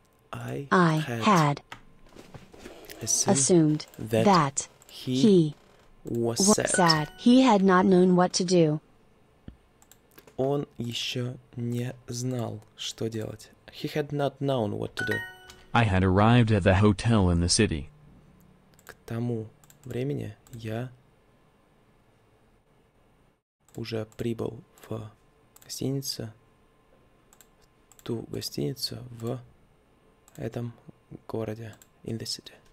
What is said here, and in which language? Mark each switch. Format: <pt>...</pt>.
<en>I had assumed that he was sad. He had not known what to do.</en> <ru>Он еще не знал, что делать.</ru> <en>He had not known what to do. I had arrived at the hotel in the city.</en> <ru>К тому времени я уже прибыл в гостиницу, в ту гостиницу в этом городе,</ru> <en>in the city.</en>